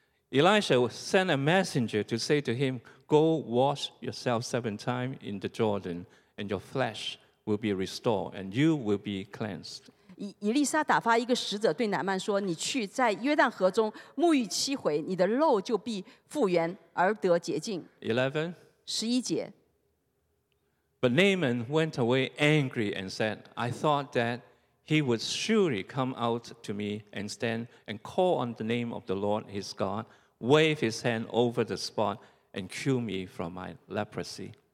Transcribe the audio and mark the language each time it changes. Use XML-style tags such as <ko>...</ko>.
<en>Elisha sent a messenger to say to him, go wash yourself 7 times in the Jordan, and your flesh will be restored, and you will be cleansed.</en> <zh>以利沙打发一个使者对乃曼说，你去在约旦河中沐浴7回，你的肉就必复原而得洁净。</zh> <en>11.</en> <zh>11节,</zh> <en>But Naaman went away angry and said, I thought that he would surely come out to me and stand and call on the name of the Lord his God, wave his hand over the spot and cure me from my leprosy.</en>